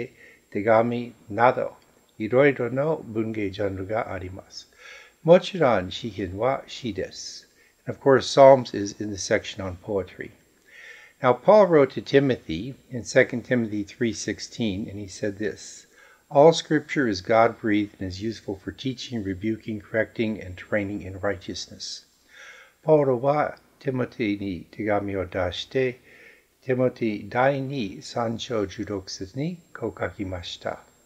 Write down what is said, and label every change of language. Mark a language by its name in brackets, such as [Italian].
[Japanese] 歴史、物語、詩、予言、教え、知恵、手紙など、 いろいろの文芸ジャンルがあります。もちろん詩篇は詩です。 [English] And of course, Psalms is in the section on poetry. Now, Paul wrote to Timothy in 2 Timothy 3:16, and he said this, All scripture is God-breathed and is useful for teaching, rebuking, correcting, and training in righteousness. [Japanese] パウロはティモテに手紙を出して、 ティモテ第2章16節にこう書きました。